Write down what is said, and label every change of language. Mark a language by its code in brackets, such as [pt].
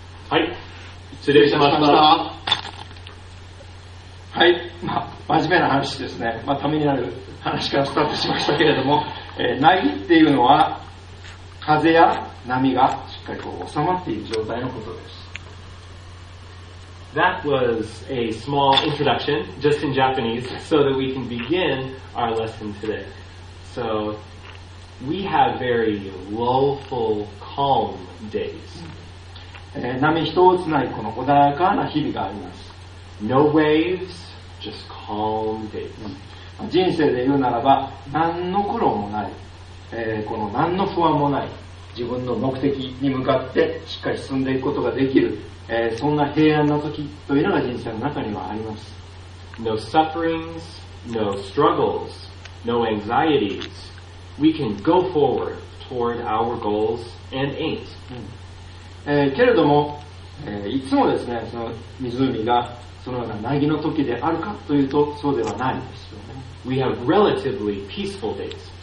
[ja] はい。失礼しました。はい。まあ、真面目な話ですね。まあ、ためになる話からスタートしましたけれども、なぎっていうのは、風や波がしっかりこう収まっている状態のことです。 [en] That was a small introduction, just in Japanese, so that we can begin our lesson today. So, we have very lowful, calm days. [ja] 波一つないこの穏やかな日々があります。 [en] No waves, just calm days. [ja] 人生で言うならば、何の苦労もない、この何の不安もない、自分の目的に向かってしっかり進んでいくことができる、そんな平安な時というのが人生の中にはあります。 [en] No sufferings, no struggles, no anxieties. We can go forward toward our goals and aims、うん、 [ja] けれども、いつもですね、その湖がそのような凪の時であるかというと、そうではないですよね。 [en] We have relatively peaceful days.